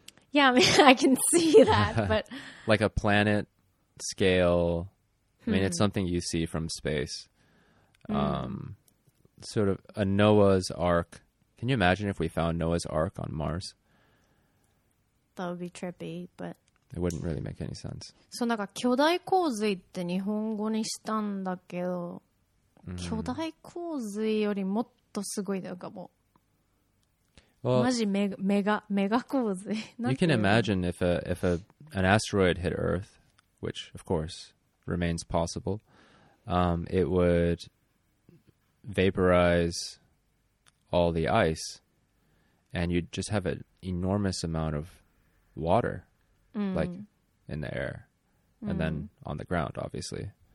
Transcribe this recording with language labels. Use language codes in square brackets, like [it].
[en] Yeah, I mean, I can see that, but... like a planet scale. I mean, it's something you see from space. Sort of a Noah's Ark. Can you imagine if we found Noah's Ark on Mars? That would be trippy, but... it wouldn't really make any sense. [ja] So, なんか巨大洪水って日本語にしたんだけど、巨大洪水よりもっとすごいのかも。 [en] Well, [ja] マジメガ洪水。 [en] You can imagine if an asteroid hit Earth, which of course remains possible, it would vaporize all the ice, and you'd just have an enormous amount of water, like in the air, and then on the ground, obviously,